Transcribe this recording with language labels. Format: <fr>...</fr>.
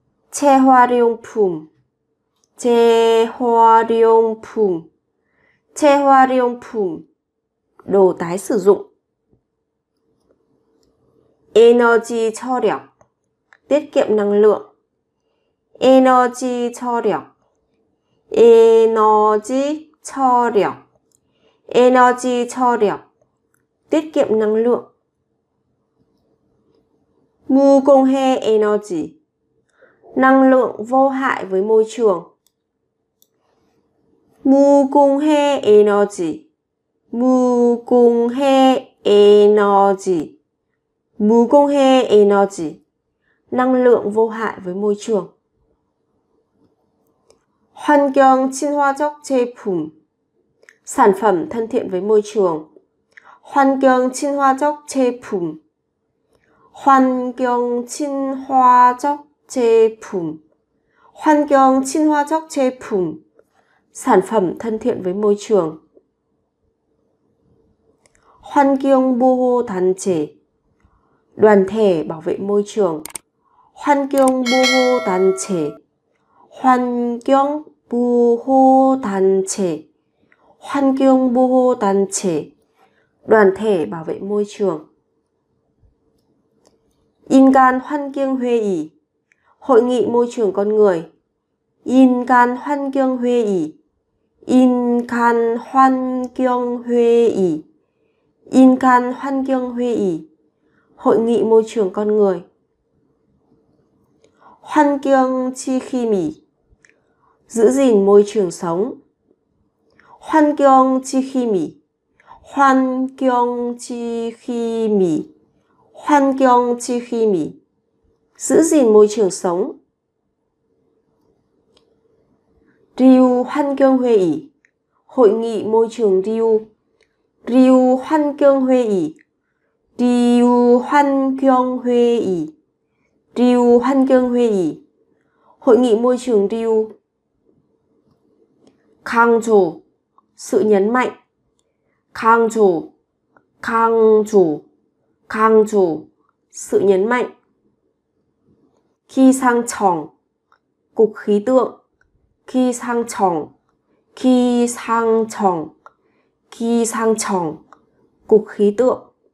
<ko>재활용품, 재활용품, 재활용품,</ko> <vi>đồ tái sử dụng.</vi> <ko>에너지 절약,</ko> <vi>tiết kiệm năng lượng.</vi> <ko>에너지 절약, 에너지 절약, 에너지 절약,</ko> <vi>tiết kiệm năng lượng.</vi> <ko>무공해 에너지,</ko> <vi>năng lượng vô hại với môi trường.</vi> <ko>무공해 에너지, 무공해 에너지, 무공해 에너지,</ko> <vi>năng lượng vô hại với môi trường.</vi> <ko>환경 친화적 제품,</ko> <vi>sản phẩm thân thiện với môi trường.</vi> <ko>환경 친화적 제품, 환경 친화적 제품, 환경 친화적 제품,</ko> <vi>sản phẩm thân thiện với môi trường.</vi> <ko>환경 보호 단체,</ko> <vi>đoàn thể bảo vệ môi trường.</vi> <ko>환경 보호 단체, 환경 보호 단체, 환경 보호 단체,</ko> <vi>đoàn thể bảo vệ môi trường.</vi> <ko>인간 환경 회의,</ko> <vi>hội nghị môi trường con người.</vi> <ko>인간 환경 회의, 인간 환경 회의, 인간 환경 회의,</ko> <vi>hội nghị môi trường con người.</vi> <ko>환경 지킴,</ko> <vi>giữ gìn môi trường sống.</vi> <ko>환경 지킴, 환경 지킴, 환경 지킴,</ko> <vi>giữ gìn môi trường sống.</vi> <ko>리우 환경 회의,</ko> <vi>hội nghị môi trường.</vi> <ko>리우, 리우 환경 회의, 리우 환경 회의, 리우 환경 회의,</ko> <vi>hội nghị môi trường.</vi> <ko>리우 강조,</ko> <vi>sự nhấn mạnh.</vi> <ko>강조, 강조, 강조,</ko> <vi>sự nhấn mạnh.</vi> <ko>기상청,</ko> <vi>cục khí tượng.</vi> <ko>기상청, 기상청, 기상청,</ko> <vi>cục khí tượng.</vi>